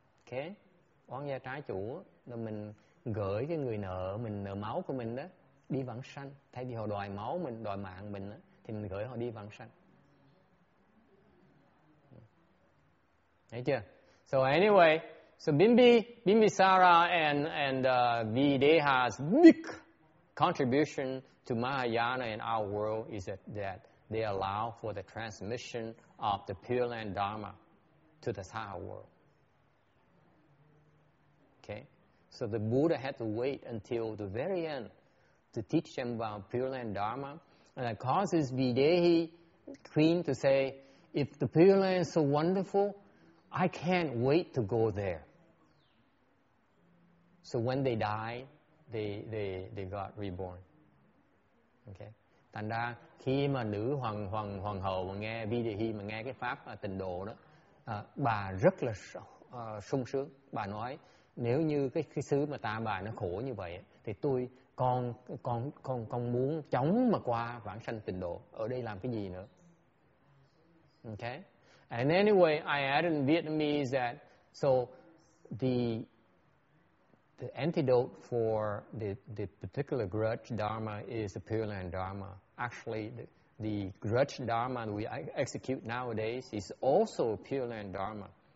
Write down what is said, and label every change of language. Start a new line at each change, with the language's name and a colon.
Vietnamese: Ok, oán gia trái chủ là mình gửi cái người nợ mình, nợ máu của mình đó, đi vãng sanh. Thay vì họ đòi máu mình, đòi mạng mình đó, thì mình gửi họ đi vãng sanh. Thấy chưa?
English: So anyway, so Bimbisara and Videha's big contribution to Mahayana and our world is that they allow for the transmission of the Pure Land Dharma to the Saha world. Okay? So the Buddha had to wait until the very end to teach them about Pure Land Dharma, and that causes Videhi Queen to say, if the Pure Land is so wonderful, I can't wait to go there. So when they die, they got reborn. Okay.
Vietnamese: Thành ra khi mà nữ hoàng hậu mà nghe Videhi mà nghe cái pháp tịnh độ đó, bà rất là sung sướng. Bà nói, nếu như cái xứ mà ta bà nó khổ như vậy, thì tôi con muốn chóng mà qua vãng sanh tịnh độ, ở đây làm cái gì nữa.
English: Okay. And anyway, I added in Vietnamese that so the antidote for the particular grudge dharma is the Pure Land Dharma. Actually, the grudge dharma we execute nowadays is also Pure Land Dharma.